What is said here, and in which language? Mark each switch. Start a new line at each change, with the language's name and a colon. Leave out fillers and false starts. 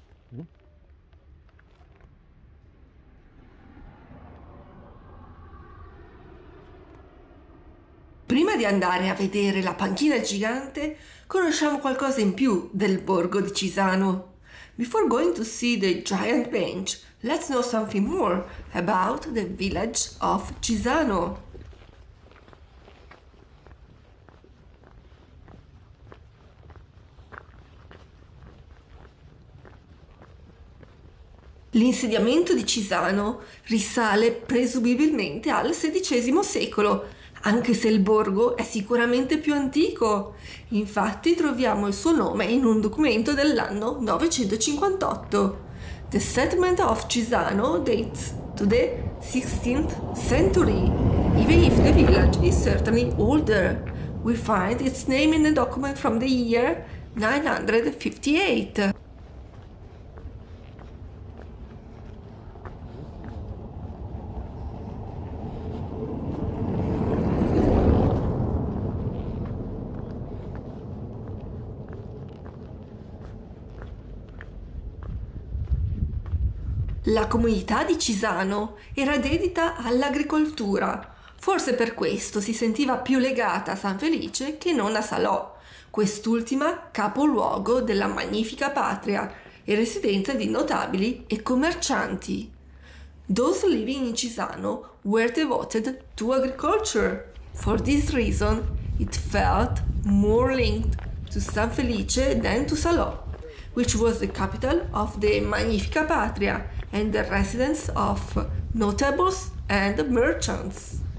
Italian: No? Prima di andare a vedere la panchina gigante, conosciamo qualcosa in più del borgo di Cisano.
English: Before going to see the giant bench, let's know something more about the village of Cisano.
Italian: L'insediamento di Cisano risale presumibilmente al XVI secolo, anche se il borgo è sicuramente più antico. Infatti troviamo il suo nome in un documento dell'anno 958.
English: The settlement of Cisano dates to the 16th century, even if the village is certainly older. We find its name in a document from the year 958.
Italian: La comunità di Cisano era dedita all'agricoltura, forse per questo si sentiva più legata a San Felice che non a Salò, quest'ultima capoluogo della magnifica patria e residenza di notabili e commercianti.
English: Those living in Cisano were devoted to agriculture. For this reason, it felt more linked to San Felice than to Salò, which was the capital of the magnifica patria and the residence of notables and merchants.